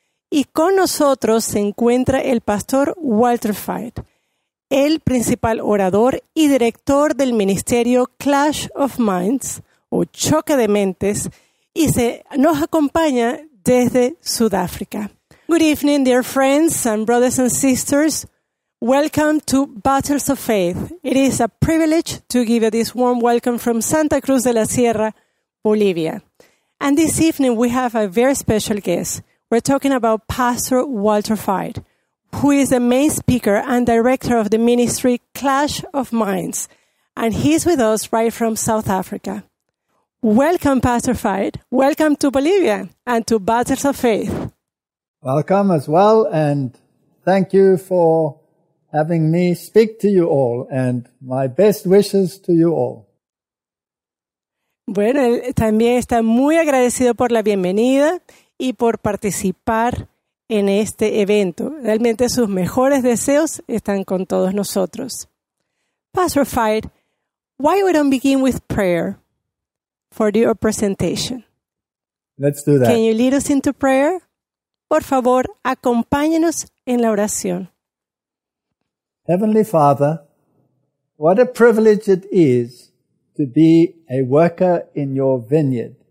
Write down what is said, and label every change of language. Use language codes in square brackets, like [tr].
[es] Y con nosotros se encuentra el pastor Walter Fight, el principal orador y director del ministerio Clash of Minds, o Choque de Mentes, y se nos acompaña desde Sudáfrica. [en] Good evening, dear friends and brothers and sisters. Welcome to Battles of Faith. It is a privilege to give you this warm welcome from Santa Cruz de la Sierra, Bolivia. And this evening we have a very special guest. We're talking about Pastor Walter Fight, who is the main speaker and director of the ministry Clash of Minds. And he's with us right from South Africa. Welcome, Pastor Fight. Welcome to Bolivia and to Battles of Faith. Welcome as well, and thank you for having me speak to you all, and my best wishes to you all. [es] Bueno, también está muy agradecido por la bienvenida y por participar en este evento. Realmente sus mejores deseos están con todos nosotros. [en] Pastor Fight, why we don't begin with prayer for your presentation? Let's do that. Can you lead us into prayer? [es] Por favor, acompáñenos en la oración. [en] Heavenly Father, what a privilege it is to be a worker in your vineyard.